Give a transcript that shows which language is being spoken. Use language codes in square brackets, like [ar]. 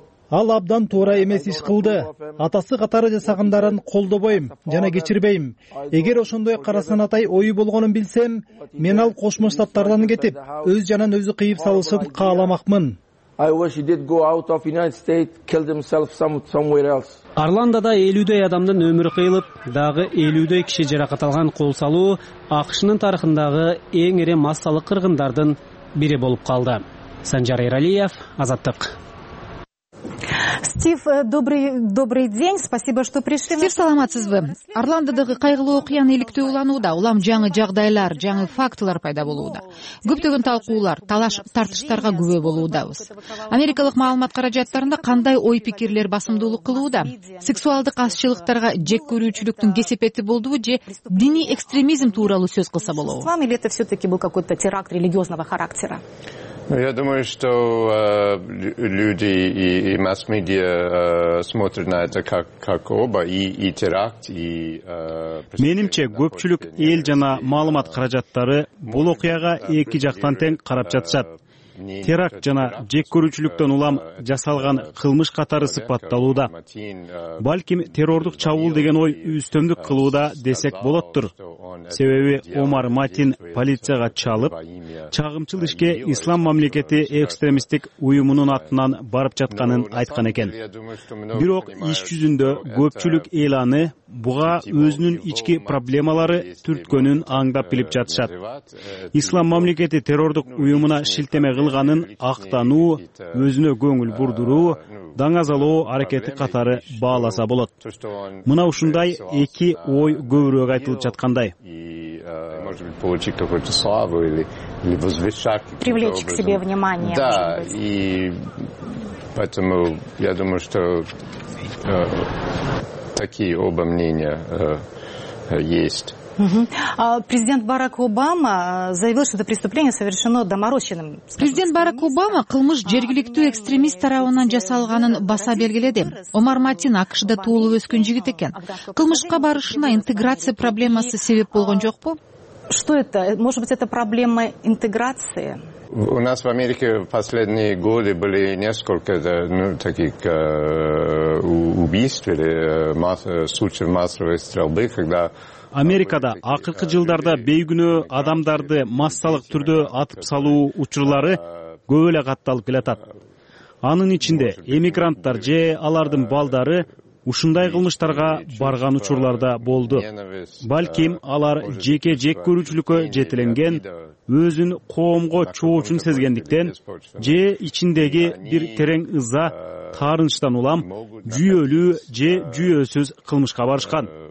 [ky] Ал абдан туура эмес иш кылды. Атасы катары жасагандарын колдобойм жана кечирбейм. Эгер ошондой карасан атай ою болгонун билсем, мен ал Кошмо Штаттардан кетип, өз жанын өзү кыйып салышын кааламакмын. [en] I wish he did go out of United States, killed himself somewhere else. [ky] Арландада 50 адамдын өмүрү кыйылып, дагы 50 киши жаракат алган кол салуу АКШнын тарыхындагы эң ири массалык кыргындардын бири болуп калды. Санжар Эралиев, Азаттык. [ru] Стив, добрый день, спасибо, что пришли. [ky] Стив, саламатсызбы. Арландыдагы кайгылуу окуяны иликтөө уланууда, улам жаңы жагдайлар, жаңы фактылар пайда болууда. Көптөгөн талкуулар, талаш тартыштарга күбө болуудабыз. Америкалык маалымат каражаттарында кандай ой пикирлер басымдуулук кылууда? Сексуалдык азчылыктарга жек көрүүчүлүктүн кесепети болдубу же диний экстремизм тууралуу сөз кылса болобу? [ru] С вами ли это все-таки был какой-то теракт религиозного характера? Я думаю, что люди и масс-медиа смотрят на это как оба, и теракт, и... [ky] Менимче, көпчүлүк эл жана маалымат каражаттары бул окуяга эки жактан тең карап жатышат. Теракт жана жек көрүүчүлүктөн улам жасалган кылмыш катары сыпатталууда. Балким террордук чабуул деген ой үстөмдүк кылууда десек болоттур. Себеби Омар Матин полицияга чалып, чагымчыл ишке ислам мамлекети экстремисттик уюмунун атынан барып жатканын айткан экен. Бирок иш жүзүндө көпчүлүк эл аны буга өзүнүн ички проблемалары түрткөнүн аңдап билип жатышат. Ислам мамлекети террордук уюмуна шилтеме кылганын актануу, өзүнө көңүл бурдуруу, даңазалоо аракети катары бааласа болот. Мына ушундай эки ой көбүрөөк айтылып жаткандай. [ru] Может быть, получить какую-то славу или возвышать. Привлечь к себе внимание. Да, и поэтому я думаю, что такие оба мнения есть. Президент Барак Обама заявил, что это преступление совершено доморощенным. [ky] Президент Барак Обама кылмыш жергиликтүү экстремист тарабынан жасалганын баса белгиледи. Омар Матин АКШда туулуп өскөн жигит экен. Кылмышка барышына интеграция проблемасы себеп болгон жокпу? [ru] Что это? Может быть, это проблема интеграции? У нас в Америке в последние годы были несколько таких убийств или случаев массовой стрельбы, когда... [ky] Америкада акыркы жылдарда бейгүнөө адамдарды массалык түрдө атып салуу учурлары көп эле катталып келатат. Анын ичинде эмигранттар же алардын балдары ушундай кылмыштарга барган учурлар да болду. Балким алар жеке жек көрүүчүлүккө жетиленген, өзүн коомго чоочун сезгендиктен же ичиндеги бир терең ыза, таарынычтан улам жүйөлүү же жүйөсүз кылмышка барышкан.